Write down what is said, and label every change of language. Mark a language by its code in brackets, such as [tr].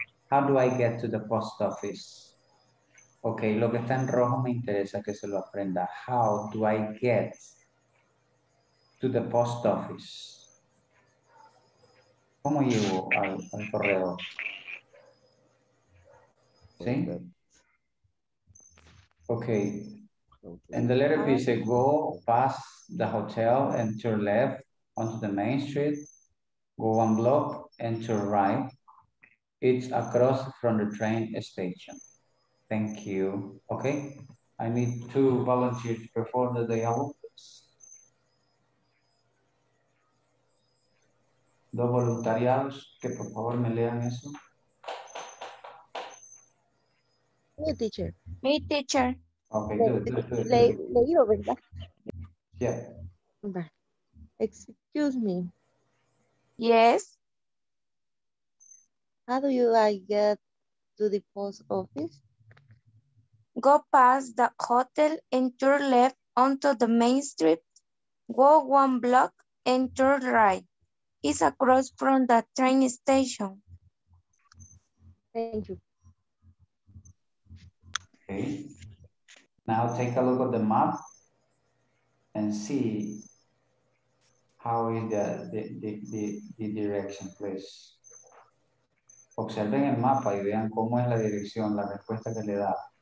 [en] How do I get to the post office? [es] Okay, lo que está en rojo me interesa que se lo aprenda. [en] How do I get to the post office? [es] ¿Cómo llego al correo? ¿Sí? [en] Okay. And the letter B say go past the hotel and turn left onto the main street. Go one block and turn right. It's across from the train station. Thank you. Okay. I need two volunteers to perform the dialogue. [es] Dos voluntariados que por favor me lean eso. [en] Me teacher. Okay. [es] Leído, ¿verdad? [en] Yeah. Excuse me. Yes. How do you get to the post office? Go past the hotel and turn left onto the main street. Go one block and turn right. It's across from the train station. Thank you. Okay. Now take a look at the map and see how is the direction, please. [es] Observen el mapa y vean cómo es la dirección, la respuesta que le da.